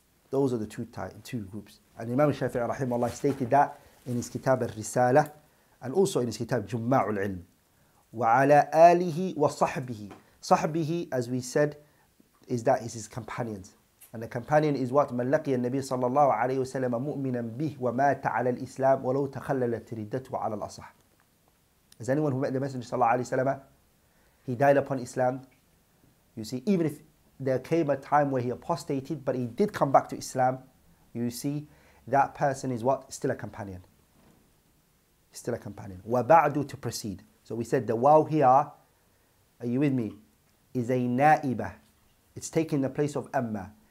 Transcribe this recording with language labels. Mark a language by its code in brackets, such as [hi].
[en] Those are the two groups. And Imam Shafi'i rahimahullah stated that in his kitab al-Risala, and also in his kitab Jumma'ul Ilm. [ar] وَعَلَىٰ آلِهِ وَصَحْبِهِ صَحْبِهِ, [en] as we said, is that is his companions. And the companion is what? [ar] مَنْ لَقِيَ النَّبِيَ صَلَّى اللَّهُ عَلَيْهِ وَسَلَّمَ مُؤْمِنًا بِهِ وَمَاتَ عَلَىٰ الْإِسْلَامِ وَلَوْ تَخَلَّلَتْ رِدَّتُهُ عَلَى الْأَصَحِ. [en] Is anyone who met the Messenger صلى الله عليه وسلم, he died upon Islam? You see, even if there came a time where he apostated, but he did come back to Islam, you see, that person is what? Still a companion. Still a companion. [ar] وَبَعْدُ, [en] to proceed. So we said the waw here, are you with me? Is a na'ibah. It's taking the place of amma.